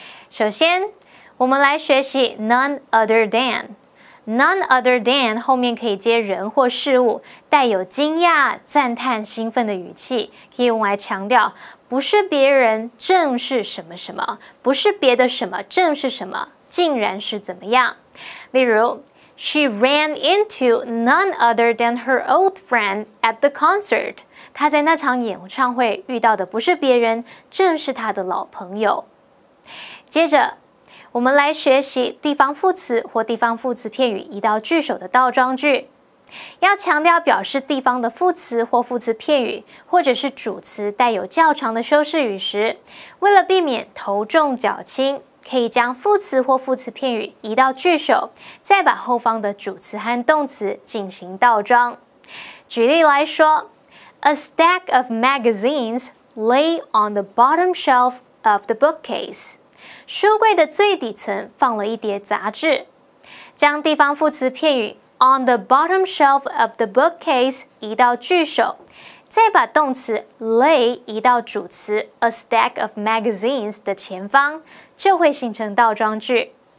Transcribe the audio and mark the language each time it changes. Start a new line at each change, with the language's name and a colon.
Chinese: 首先，我们来学习
English: none other than。
Chinese: none other than 后面可以接人或事物，带有惊讶、赞叹、兴奋的语气，可以用来强调不是别人，正是什么什么，不是别的什么，正是什么，竟然是怎么样。例如
English: She ran into none other than her old friend at the concert。
Chinese: 他在那场演唱会遇到的不是别人，正是他的老朋友。接着，我们来学习地方副词或地方副词片语移到句首的倒装句。要强调表示地方的副词或副词片语，或者是主词带有较长的修饰语时，为了避免头重脚轻，可以将副词或副词片语移到句首，再把后方的主词和动词进行倒装。举例来说，
English: A stack of magazines lay on the bottom shelf of the bookcase.
Chinese: 书柜的最底层放了一叠杂志。将地方副词片语
English: on the bottom shelf of the bookcase
Chinese: 移到句首，再把动词 lay 移到主词
English: a stack of magazines
Chinese: 的前方，就会形成倒装句。